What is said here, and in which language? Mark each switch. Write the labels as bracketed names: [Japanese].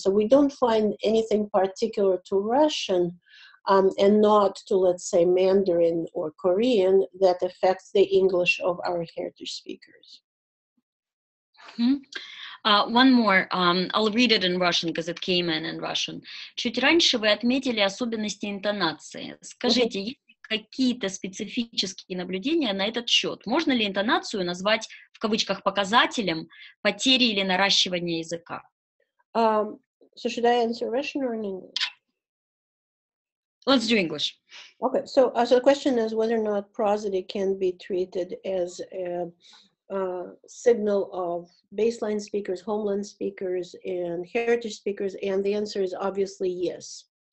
[English] So we don't find anything particular to Russian and not to, let's say, Mandarin or Korean that affects the English of our heritage speakers. Mm-hmm. One more. I'll read it in Russian because it came in Russian. [Russian] Чуть раньше вы отметили особенности интонации. Скажите, есть какие-то специфические наблюдения на этот счет? Можно ли интонацию назвать, в кавычках, показателем потери или наращивания языка? [English] So should I answer Russian or in English? Let's do English. Okay, so, so the question is whether or not prosody can be treated as a signal of baseline speakers, homeland speakers, and heritage speakers, and the answer is obviously yes.